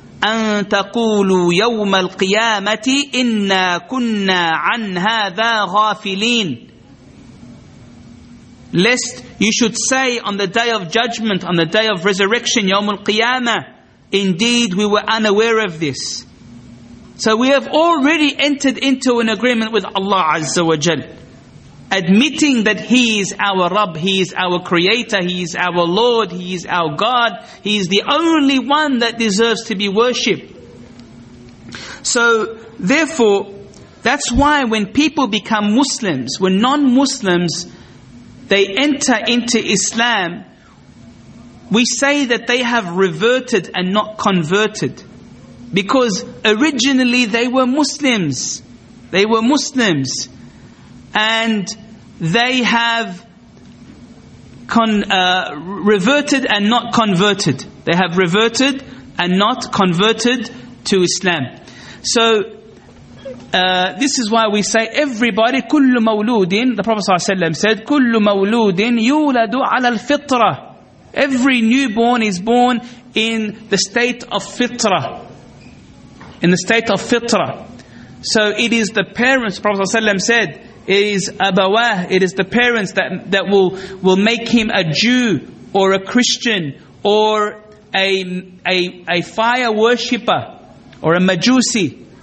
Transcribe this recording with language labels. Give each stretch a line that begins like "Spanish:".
Arabic: أن تقولوا يوم القيامة إنا كنا عن هذا غافلين.
English: Lest you should say on the day of judgment, on the day of resurrection,
Arabic: يوم القيامة,
English: indeed we were unaware of this. So we have already entered into an agreement with Allah Azza wa Jal, admitting that He is our Rabb, He is our Creator, He is our Lord, He is our God, He is the only one that deserves to be worshipped. So, therefore, that's why when people become Muslims, when non-Muslims, they enter into Islam, we say that they have reverted and not converted. Because originally they were Muslims. They were Muslims. And they have reverted and not converted. They have reverted and not converted to Islam. So this is why we say everybody,
Arabic: كل مولود,
English: the Prophet صلى الله عليه وسلم said,
Arabic: كل مولود يولد على الفطرة.
English: Every newborn is born in the state of fitra. In the state of fitra. So it is the parents, the Prophet صلى الله عليه وسلم said, it is abawah, it is the parents that will make him a Jew or a Christian or a fire worshipper or a Majusi.